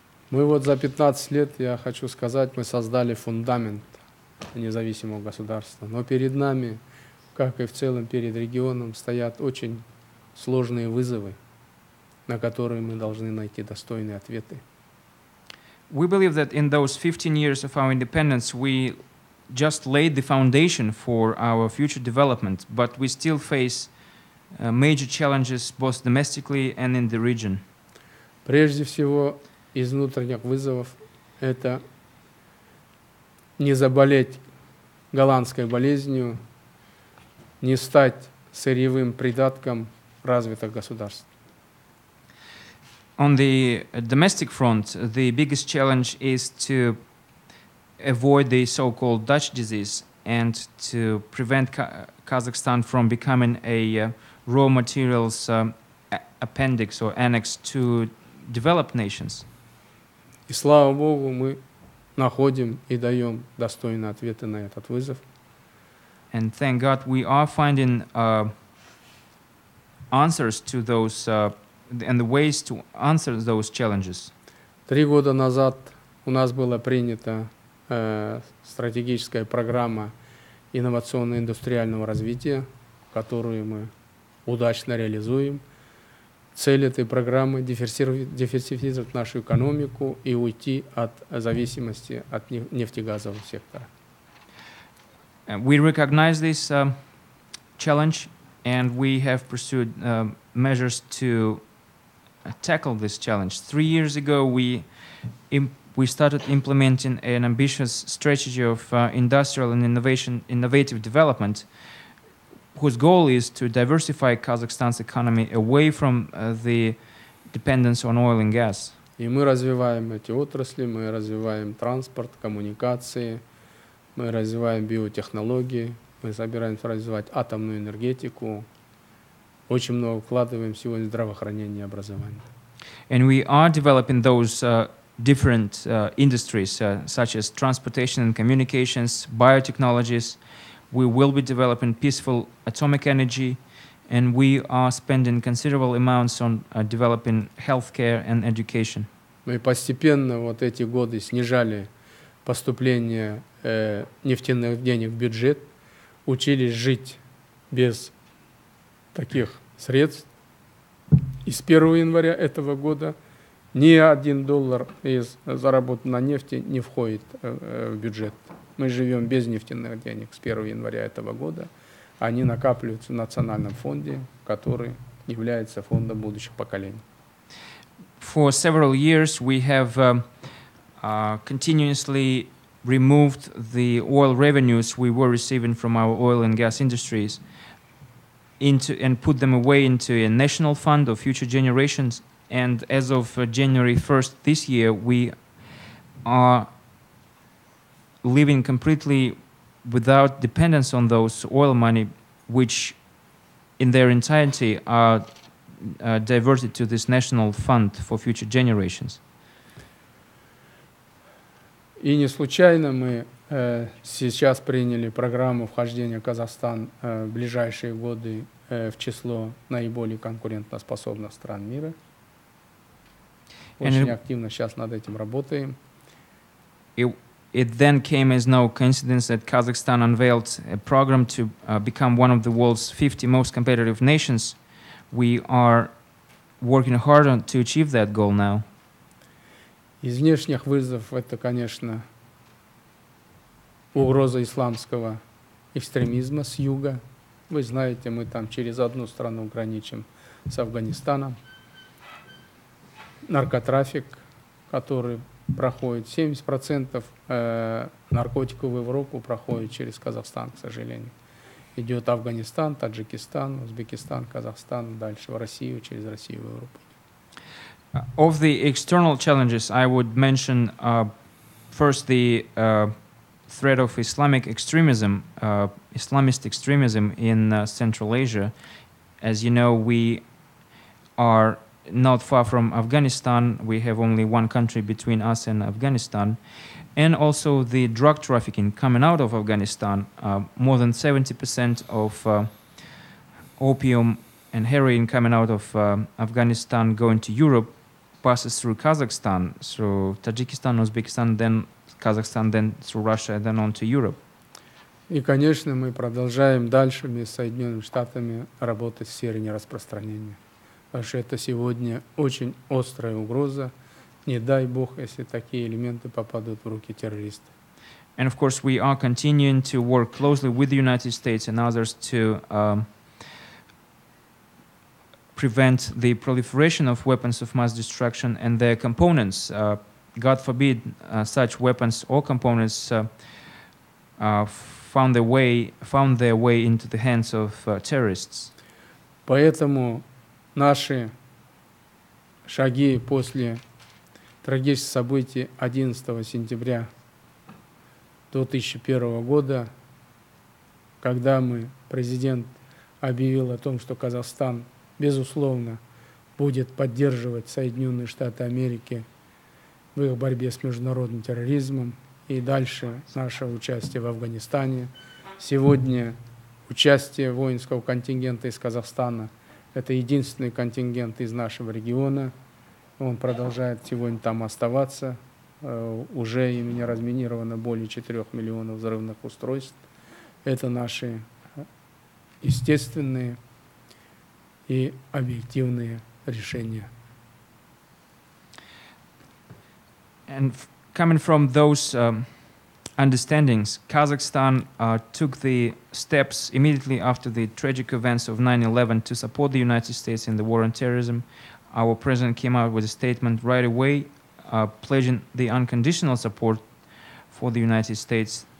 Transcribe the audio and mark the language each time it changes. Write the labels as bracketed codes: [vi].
[ru] Мы вот за 15 лет, я хочу сказать, мы создали фундамент независимого государства. Но перед нами, как и в целом перед регионом, стоят очень сложные вызовы, на которые мы должны найти достойные ответы. [en] We believe that in those 15 years of our independence, we just laid the foundation for our future development, but we still face major challenges both domestically and in the region. [ru] Прежде всего, из внутренних вызовов это не заболеть голландской болезнью, не стать сырьевым придатком развитых государств. [en] On the domestic front, the biggest challenge is to avoid the so-called Dutch disease and to prevent Kazakhstan from becoming a raw materials appendix or annex to developed nations. [ru] И слава Богу, мы находим и даем достойные ответы на этот вызов. [en] And thank God we are finding answers to those and the ways to answer those challenges. [ru] 3 года назад у нас было принято стратегическая программа инновационно-индустриального развития, которую мы удачно реализуем. Цель этой программы – диверсифицировать нашу экономику и уйти от зависимости от нефтегазового сектора. [en] We recognize this challenge, and we have pursued measures to tackle this challenge. 3 years ago, we started implementing an ambitious strategy of industrial and innovative development, whose goal is to diversify Kazakhstan's economy away from the dependence on oil and gas. [ru] И мы развиваем эти отрасли, мы развиваем транспорт, коммуникации, мы развиваем биотехнологии, мы собираемся развивать атомную энергетику, очень много вкладываем сегодня в здравоохранение и образование. [en] And we are developing those different industries, such as transportation and communications, biotechnologies. We will be developing peaceful atomic energy, and we are spending considerable amounts on developing healthcare and education. [ru] Мы постепенно вот эти годы снижали поступление нефтяных денег в бюджет, учились жить без таких средств. И с 1 января этого года ни один доллар из заработанной на нефти не входит в бюджет. Мы живем без нефтяных денег с 1 января этого года. Они накапливаются в национальном фонде, который является фондом будущих поколений. [en] For several years we have continuously removed the oil revenues we were receiving from our oil and gas industries into and put them away into a national fund of future generations. And as of January 1st this year, we are living completely without dependence on those oil money, which in their entirety are diverted to this national fund for future generations. [ru] И не случайно мы сейчас приняли программу вхождения Казахстан в ближайшие годы в число наиболее конкурентоспособных стран мира. Очень активно сейчас над этим работаем. [en] It then came as no coincidence that Kazakhstan unveiled a program to become one of the world's 50 most competitive nations. We are working hard on to achieve that goal now. [ru] Из внешних вызовов это, конечно, угроза исламского экстремизма с юга. Вы знаете, мы там через одну страну граничим с Афганистаном. Наркотрафик, который проходит, 70% наркотиков в Европу проходит через Казахстан, к сожалению. Идет Афганистан, Таджикистан, Узбекистан, Казахстан, дальше в Россию, через Россию в Европу. [en] Of the external challenges, I would mention first the threat of Islamic extremism, Islamist extremism in Central Asia. As you know, we are not far from Afghanistan. We have only one country between us and Afghanistan. And also the drug trafficking coming out of Afghanistan. More than 70% of opium and heroin coming out of Afghanistan going to Europe passes through Kazakhstan, through Tajikistan, Uzbekistan, then Kazakhstan, then through Russia, and then on to Europe. [ru] И, конечно, мы продолжаем дальше вместе с Соединенными Штатами работать в сфере нераспространения. Потому что это сегодня очень острая угроза. Не дай бог, если такие элементы попадут в руки террористов. [en] And of course, we are continuing to work closely with the United States and others to prevent the proliferation of weapons of mass destruction and their components. God forbid such weapons or components found their way into the hands of terrorists. [ru] Поэтому наши шаги после трагических событий 11 сентября 2001 года, когда мы, президент, объявил о том, что Казахстан безусловно будет поддерживать Соединенные Штаты Америки в их борьбе с международным терроризмом и дальше наше участие в Афганистане. Сегодня участие воинского контингента из Казахстана — это единственный контингент из нашего региона. Он продолжает сегодня там оставаться. Уже ими разминировано более 4 миллионов взрывных устройств. Это наши естественные и объективные решения. [en] And coming from those understandings, Kazakhstan took the steps immediately after the tragic events of 9/11 to support the United States in the war on terrorism. Our president came out with a statement right away pledging the unconditional support for the United States.